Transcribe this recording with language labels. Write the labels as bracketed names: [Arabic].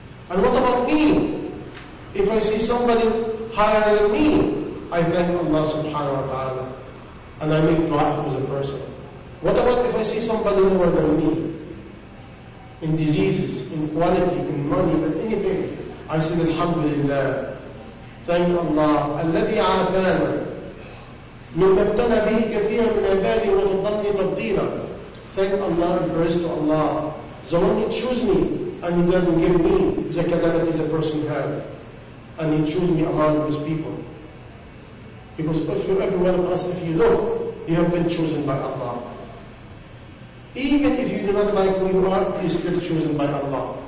[English] And what about me? If I see somebody higher than me, I thank Allah subhanahu wa ta'ala. And I make dua for the person. What about if I see somebody lower than me? In diseases, in quality, in money, in anything, I say, Alhamdulillah, Thank Allah, [Arabic] الذي عافانا مما ابتلى به كثيرا من عبادي وفضلني تفضيلا. [English] Thank Allah and praise to Allah. The one He chose me and He doesn't give me the calamities a person has. And He chose me among His people. Because for every one of us, if you look, you have been chosen by Allah. Even if you do not like who you are, you are still chosen by Allah.